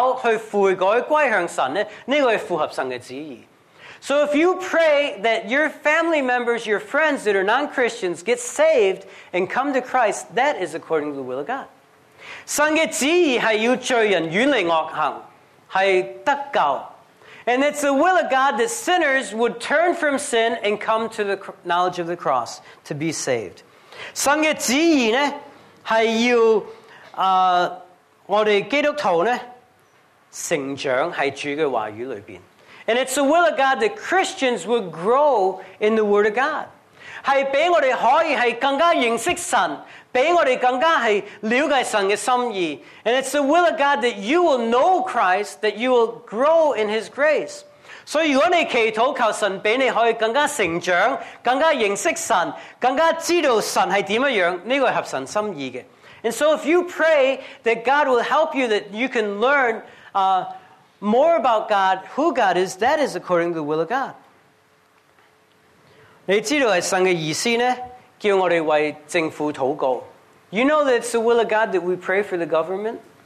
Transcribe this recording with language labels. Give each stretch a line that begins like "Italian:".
Chinese: 所以如果你祈祷求神给你的亲友去悔改归向神呢, 这个是符合神的旨意.
English: So if you pray that your family members, your friends that are non-Christians get saved and come to Christ, that is according to the will of God.
Chinese: 神的旨意是要罪人远离恶行，是得救.
English: And it's the will of God that sinners would turn from sin and come to the knowledge of the cross to be saved.
Chinese: 神的旨意是要我们基督徒成长在主的话语里面.
English: And it's the will of God that Christians would grow in the Word of God.
Chinese: 是让我们可以更加认识神, 让我们更加了解神的心意.
English: And it's the will of God that you will know Christ, that you will grow in His grace.
Chinese: 所以如果你祈祷求神让你可以更加成长, 更加认识神, 更加知道神是怎么样, 这个是合神心意的.
English: And so if you pray that God will help you, that you can learn more about God, who God is, that is according to the will of God.
Chinese: 你知道是神的意思呢?叫我们为政府祷告.
English: You know that it's the will of God that we pray for the government?